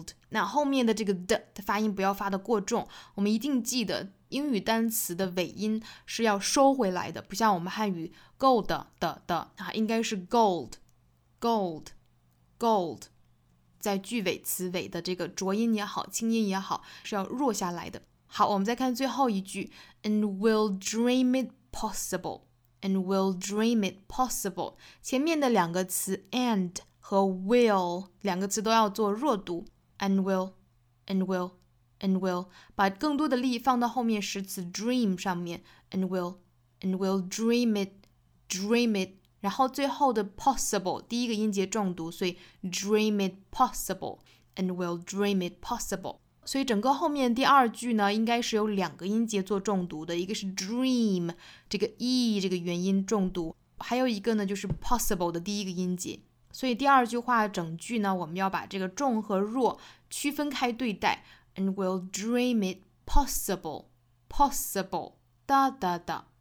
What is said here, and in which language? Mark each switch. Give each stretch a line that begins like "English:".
Chinese: 那后面的这个 的发音不要发的过重，我们一定记得英语单词的尾音是要收回来的，不像我们汉语 gold 的啊，应该是 gold， 在句尾词尾的这个浊音也好，轻音也好，是要弱下来的。好，我们再看最后一句 and we'll dream it possible，前面的两个词 and 和 will 两个词都要做弱读。
English: And will, 把更多的力放到后面实词 dream 上面 and will dream it, 然后最后的 possible 第一个音节重读，所以 dream it possible, and will dream it possible。
Chinese: 所以整个后面第二句呢应该是有两个音节做重读的，一个是 dream 这个 e 这个元音重读，还有一个呢就是 possible 的第一个音节。所以第二句话整句呢我们要把这个重和弱区分开对待， and will dream it possible possible 哒哒哒。